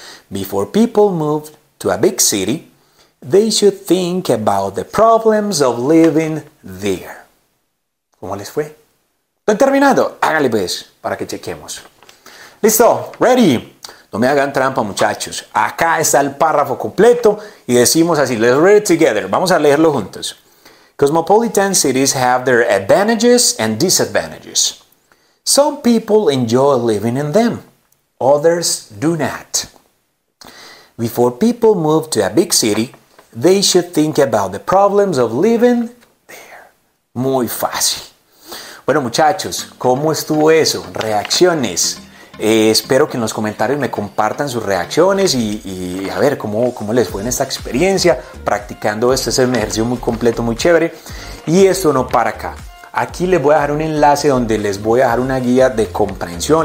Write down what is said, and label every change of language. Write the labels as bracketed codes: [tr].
[en] Before people move to a big city, they should think about the problems of living there. [es] ¿Cómo les fue? ¿Están terminando? Hágale pues, para que chequemos. ¿Listo? ¿Ready? No me hagan trampa, muchachos. Acá está el párrafo completo y decimos así. [en] Let's read it together. [es] Vamos a leerlo juntos. [en] Cosmopolitan cities have their advantages and disadvantages. Some people enjoy living in them. Others do not. Before people move to a big city, they should think about the problems of living there. [es] Muy fácil. Bueno, muchachos, ¿cómo estuvo eso? Reacciones. Espero que en los comentarios me compartan sus reacciones y a ver cómo les fue en esta experiencia practicando esto. Es un ejercicio muy completo, muy chévere. Y esto no para acá. Aquí les voy a dejar un enlace donde les voy a dejar una guía de comprensión.